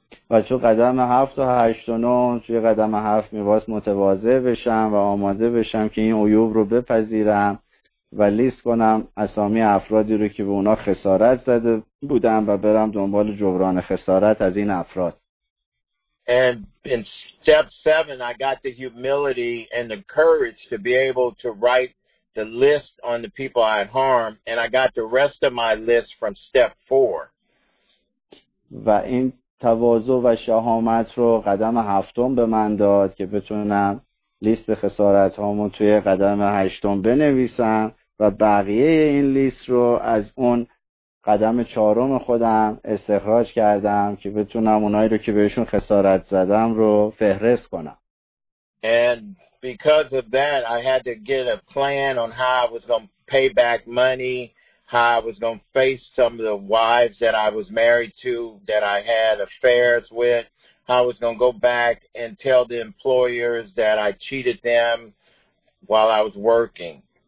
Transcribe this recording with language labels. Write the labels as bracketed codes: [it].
[fa] و تو قدم 7 و 8 و 9 توی قدم 7 میباید متواضع بشم و آماده بشم که این عیوب رو بپذیرم و لیست کنم اسامی افرادی رو که به اونا خسارت زده بودم و برم دنبال جبران خسارت از این افراد. [en] And in step 7 I got the humility and the courage to be able to write the list on the people I had harmed, and I got the rest of my list from step 4. [fa] و این تواضع و شهامت رو قدم هفتم به من داد که بتونم لیست خسارت هامو توی قدم هشتم بنویسم و بقیه این لیست رو از اون قدم چهارم خودم استخراج کردم که بتونم اونایی رو که بهشون خسارت زدم رو فهرست کنم. [en] And because of that, I had to get a plan on how I was going to pay back money, how I was going to face some of the wives that I was married to, that I had affairs with, how I was going to go back and tell the employers that I cheated them while I was working.